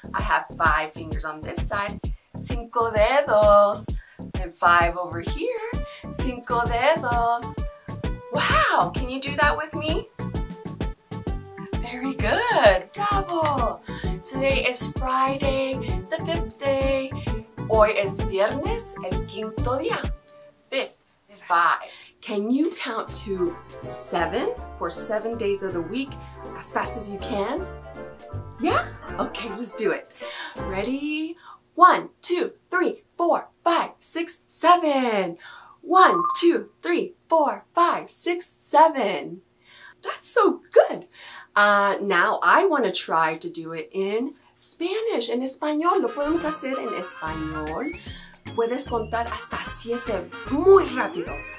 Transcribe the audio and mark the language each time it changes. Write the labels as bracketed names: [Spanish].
[English] I have five fingers on this side. [Spanish] Cinco dedos. [English] And five over here. [Spanish] Cinco dedos. [English] Wow, can you do that with me? Very good. Bravo. Today is Friday, the fifth day. [Spanish] Hoy es viernes, el quinto día. [English] Fifth, five. Can you count to seven for 7 days of the week as fast as you can? Yeah? Okay, let's do it. Ready? One, two, three, four, five, six, seven. One, two, three, four, five, six, seven. That's so good. Now I want to try to do it in Spanish. [Spanish] En español, lo podemos hacer en español. Puedes contar hasta siete muy rápido.